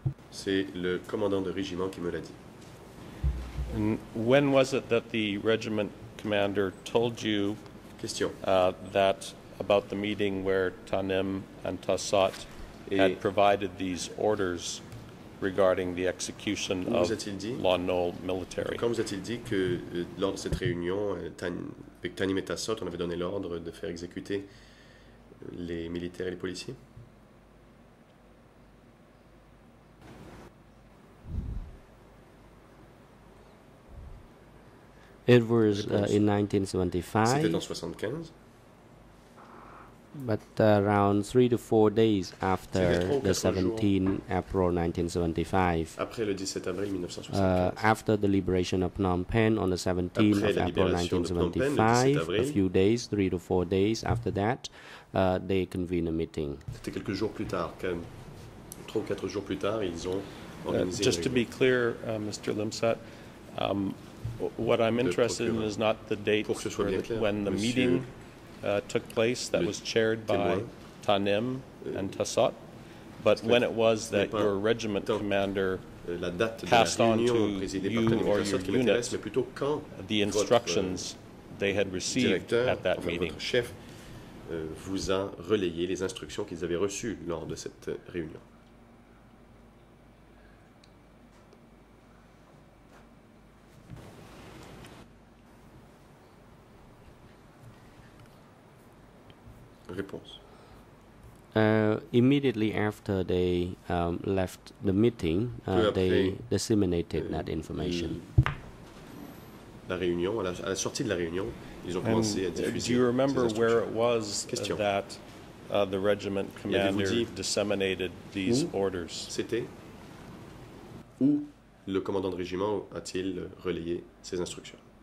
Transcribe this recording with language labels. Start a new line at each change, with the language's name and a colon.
French: C'est le commandant de régiment qui me l'a dit.
English: And when was it that the regiment commander told you that about the meeting where Tanim and Tassat had provided these orders regarding the execution of Lannol military?
French: Quand vous a-t-il dit que lors de cette réunion, avec Tanim et Tassat, on avait donné l'ordre de faire exécuter les militaires et les policiers?
English: It was in 1975.
French: C'était en 75.
English: But around 3 to 4 days after the 17 April 1975.
French: Après le 17 avril 1975.
English: After the liberation of Phnom Penh on the 17th of April 1975, a few days, 3 to 4 days after that, they convened a meeting.
French: C'était quelques jours plus tard, 3 ou 4 jours plus tard, ils ont organisé.
English: Just to be clear, Mr. Limsat. What I'm interested in is not the date when the meeting took place that was chaired by Tanim and Tassat, but when it was that your regiment commander passed on to you or your unit the instructions they had received at that meeting.
French: Votre chef vous a relayé les instructions qu'ils avaient reçues lors de cette réunion.
English: Immediately after they left the meeting, they disseminated that information.
French: La réunion, à la sortie de la réunion, ils ont commencé à diffuser ces instructions.
English: Do you remember where it was that the regiment commander disseminated these orders?
French: C'était où le commandant de régiment a-t-il relayé ces instructions?